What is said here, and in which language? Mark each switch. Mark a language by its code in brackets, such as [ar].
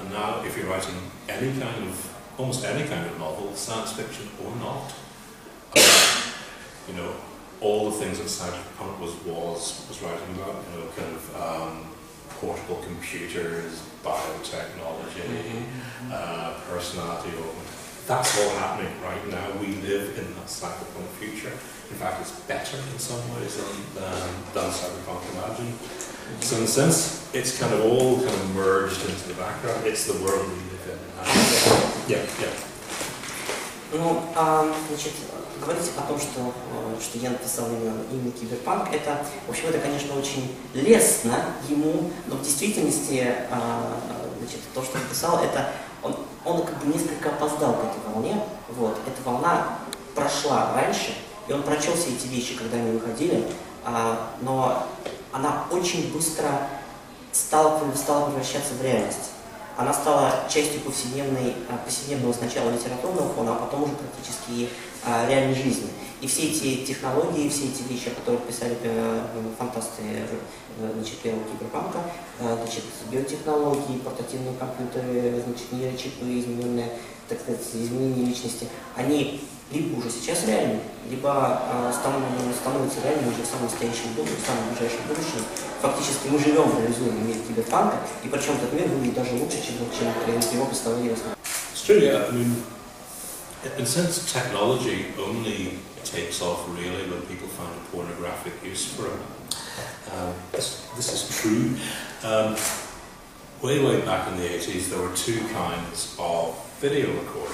[en] And now if you're writing almost any kind of novel, science fiction or not, you know, all the things that cyberpunk was writing about, you know, kind of portable computers, biotechnology, personality, that's all happening right now. We live in that cyberpunk future. In fact, it's better in some ways than cyberpunk imagined. Mm-hmm. So in a sense, it's kind of all kind of merged into the background. It's the world we live in. [ru] Говорить о том, что я написал именно киберпанк, это, в общем, это, конечно, очень лестно ему, но в действительности, то, что он писал, это он как бы несколько опоздал к этой волне. Вот, эта волна прошла раньше, и он прочел все эти вещи, когда они выходили, но она очень быстро стала превращаться в реальность. Она стала частью повседневного сначала литературного фона, а потом уже практически реальной жизни. И все эти технологии, все эти вещи, о которых писали фантасты первого киберпанка, биотехнологии, портативные компьютеры, нейрочипы, изменения личности, они либо уже сейчас реальны, либо становятся реальными уже в самом настоящем будущем, в самом ближайшем будущем. Фактически мы живем в реализуемом мире киберпанка, и причем этот мир выглядит даже лучше, чем его представление. [en] It's true, yeah. I mean, in a sense, technology only takes off really when people find a pornographic use for it. This is true. Way, way back in the 80s, there were two kinds of video recorder.